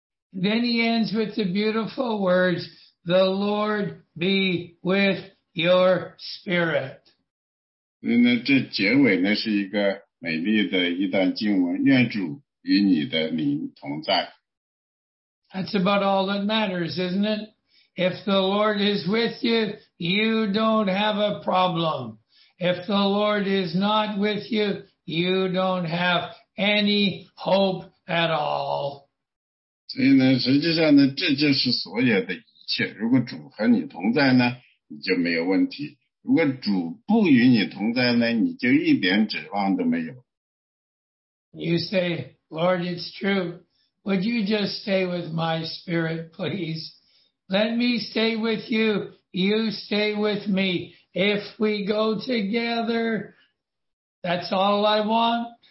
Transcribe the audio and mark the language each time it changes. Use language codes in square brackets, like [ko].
[en] Then he ends with the beautiful words, "The Lord be with your spirit. [zh] 那这结尾呢是一个美丽的一段经文，愿主与你的灵同在。 [en] That's about all that matters, isn't it? If the Lord is with you, you don't have a problem. If the Lord is not with you, you don't have any hope at all. [zh] 所以呢，实际上呢，这就是所有的一切。如果主和你同在呢，你就没有问题；如果主不与你同在呢，你就一点指望都没有。 [en] You say, Lord, it's true. Would you just stay with my spirit, please? Let me stay with you. You stay with me. If we go together, that's all I want.